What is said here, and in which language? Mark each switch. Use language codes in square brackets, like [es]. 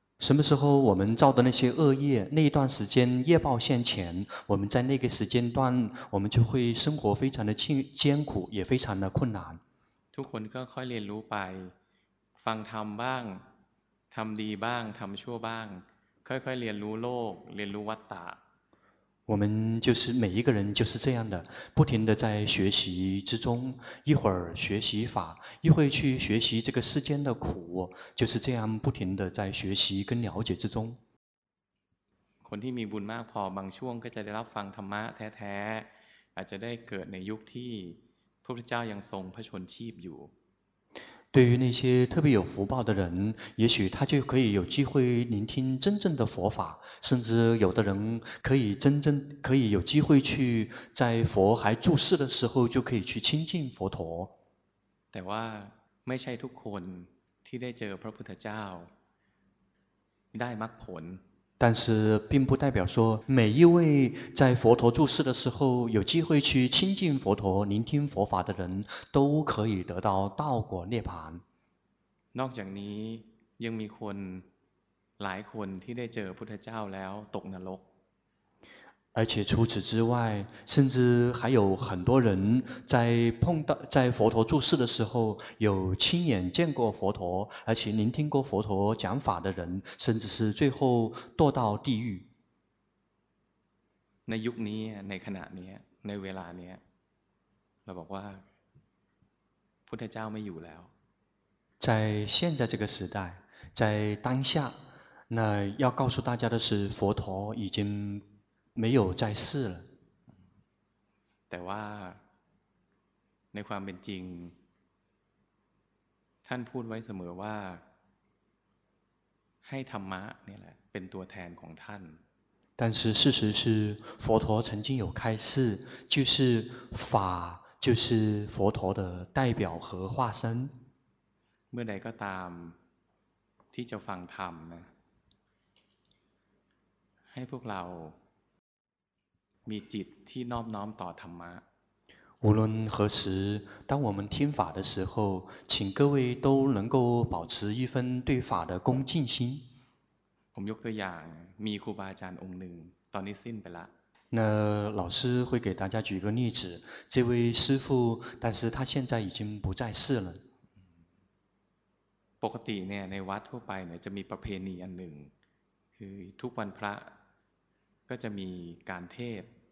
[zh] 什么时候我们造的那些恶业那一段时间业报现前我们在那个时间段我们就会生活非常的艰苦也非常的困难 [th] ทุกคนก็ค่อยเรียนรู้ไปฟังธรรมบ้างทำดีบ้างทำชั่วบ้างค่อยๆเรียนรู้โลกเรียนรู้วัฏฏะ [zh] 我们就是每一个人就是这样的不停的在学习之中一会儿学习法一会去学习这个世间的苦就是这样不停的在学习跟了解之中 [th] คนที่มีบุญมากพอบางช่วงก็จะได้รับฟังธรรมะแท้ๆอาจจะได้เกิดในยุคที่พระพุทธเจ้ายังทรงพระชนชีพอยู่ [zh] 对于那些特别有福报的人也许他就可以有机会聆听真正的佛法甚至有的人可以有机会去在佛还住世的时候就可以去亲近佛陀 [th] แต่ว่าไม่ใช่ทุกคนที่ได้เจอพระพุทธเจ้าได้มรรคผล [zh] 但是并不代表说每一位在佛陀住世的时候有机会去亲近佛陀聆听佛法的人都可以得到道果涅槃。 [th] นอกจากนี้ยังมีคนหลายคนที่ได้เจอพุทธเจ้าแล้วตกนรก。 [zh] 而且除此之外甚至还有很多人在碰到在佛陀住世的时候有亲眼见过佛陀而且聆听过佛陀讲法的人甚至是最后堕到地狱。 [th] ในยุคนี้ในขณะนี้ในเวลานี้เราบอกว่าพุทธเจ้าไม่อยู่แล้ว [zh] 在现在这个时代在当下那要告诉大家的是佛陀已经没有在世了。 [th] แต่ว่าในความเป็นจริงท่านพูดไว้เสมอว่าให้ธรรมะนี่แหละเป็นตัวแทนของท่าน [zh] 但是事实是佛陀曾经有开示就是法就是佛陀的代表和化身 [th] เมื่อใดก็ตามที่จะฟังธรรมนะให้พวกเรามีจิตที่น้อมน้อมต่อธรรมะ [zh] 无论何时当我们听法的时候请各位都能够保持一份对法的恭敬心 [th] ผมยกตัวอย่างมีครูบาอาจารย์องค์หนึ่งตอนนี้สิ้นไปละ [zh] 那老师会给大家举个例子这位师父但是他现在已经不在世了 [th] ปกติเนี่ยในวัดทั่วไปเนี่ยจะมีประเพณีอันหนึ่งคือทุกวันพระก็จะมีการเทศ